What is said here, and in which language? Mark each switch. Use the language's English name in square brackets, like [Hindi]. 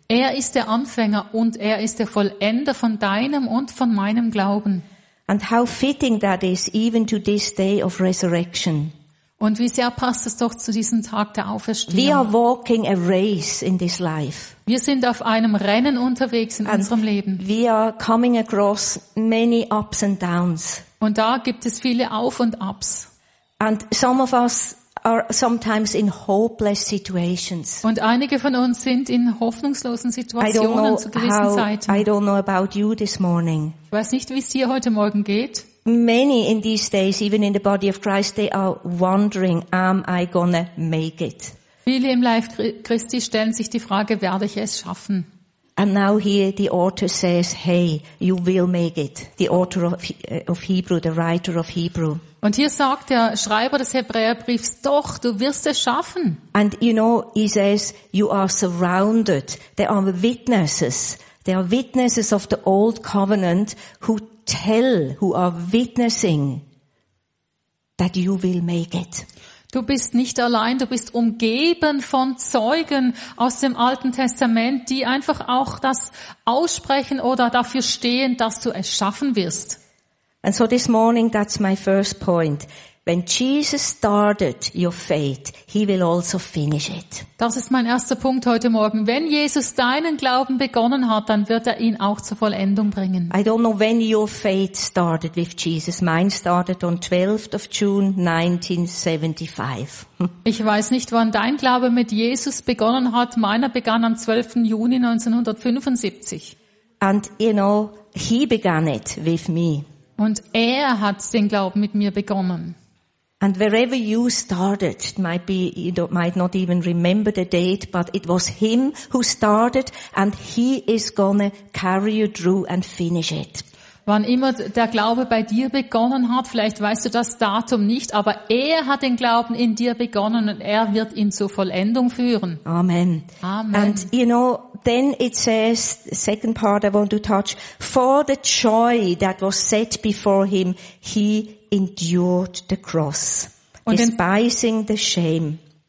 [German] Er ist der Anfänger und er ist der Vollender von deinem und von meinem Glauben. [English] And how fitting that is even to this day of resurrection. [German] Und wie sehr passt es doch zu diesem Tag der Auferstehung. [English] We are walking a race in this life. [German] Wir sind auf einem Rennen unterwegs in unserem Leben. [English] We are coming across many ups and downs. [German] Und da gibt es viele Auf und Abs. [English] And some of us are sometimes in hopeless situations. [German] Und einige von uns sind in hoffnungslosen Situationen zu gewissen Zeiten. [English] I don't know about you this morning. [German] Ich weiß nicht, wie es dir heute Morgen geht. [English] Many in these days, even in the body of Christ, they are wondering, am I gonna make it? [German] Viele im Leib Christi stellen sich die Frage, werde ich es schaffen? [English] And now here the author says, hey, you will make it. The author of Hebrew, the writer of Hebrew. [German] Und hier sagt der Schreiber des Hebräerbriefs, doch, du wirst es schaffen. [English] And you know, he says, you are surrounded. There are witnesses of the old covenant who are witnessing that you will make it. [German] Du bist nicht allein, du bist umgeben von Zeugen aus dem Alten Testament, die einfach auch das aussprechen oder dafür stehen, dass du es schaffen wirst. [English] And so this morning, that's my first point. When Jesus started your faith, he will also finish it. [German] Das ist mein erster Punkt heute Morgen. Wenn Jesus deinen Glauben begonnen hat, dann wird er ihn auch zur Vollendung bringen. [English] I don't know when your faith started with Jesus. Mine started on 12th of June 1975. [German] Ich weiß nicht, wann dein Glaube mit Jesus begonnen hat. Meiner begann am 12. Juni 1975. [English] And you know, he began it with me. [German] Und er hat den Glauben mit mir begonnen. [English] And wherever you started, you might not even remember the date, but it was him who started and he is gonna carry you through and finish it. [German] Wann immer der Glaube bei dir begonnen hat, vielleicht weißt du das Datum nicht, aber er hat den Glauben in dir begonnen und er wird ihn zur Vollendung führen. [English] Amen. [German] Amen. [English] And you know, then it says, the second part I want to touch, for the joy that was set before him, he endured the cross, despising the shame.